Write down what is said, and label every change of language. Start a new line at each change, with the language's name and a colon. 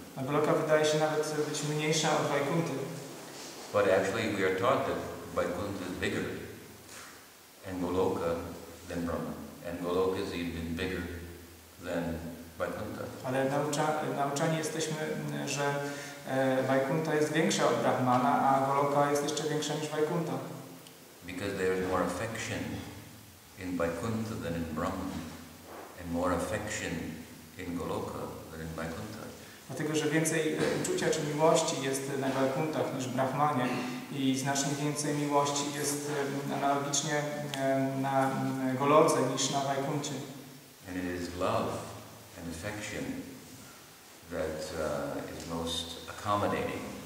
Polish: A Goloka wydaje się nawet być mniejsza od Vaikunthy.
English: But actually we are taught that Vaikuntha is bigger and Goloka than Brahman. And Goloka is even bigger than Vaikuntha.
Polish: Ale nauczani jesteśmy, że Vaikuntha jest większa od Brahmana, a Goloka jest jeszcze większa niż Vaikuntha.
English: Because there is more affection in Vaikuntha than in Brahman. And more affection in Goloka than in Vaikuntha.
Polish: Dlatego, że więcej uczucia czy miłości jest na Vaikunthach niż w Brahmanie i znacznie więcej miłości jest analogicznie na Goloce niż na Vaikunthie.
English: And it is love and affection that is most accommodating.